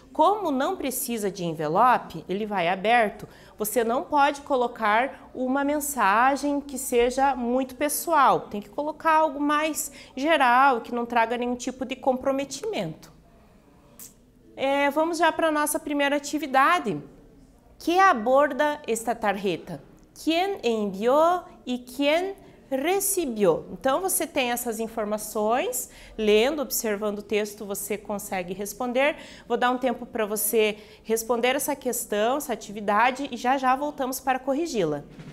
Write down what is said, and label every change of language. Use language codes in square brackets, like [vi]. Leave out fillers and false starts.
[pt] Como não precisa de envelope, ele vai aberto, você não pode colocar uma mensagem que seja muito pessoal. Tem que colocar algo mais geral, que não traga nenhum tipo de comprometimento. Vamos já para a nossa primeira atividade. [es] ¿Qué aborda esta tarjeta? ¿Quién envió y quién recibió? [pt] Então, você tem essas informações, lendo, observando o texto, você consegue responder. Vou dar um tempo para você responder essa questão, essa atividade, e já já voltamos para corrigi-la.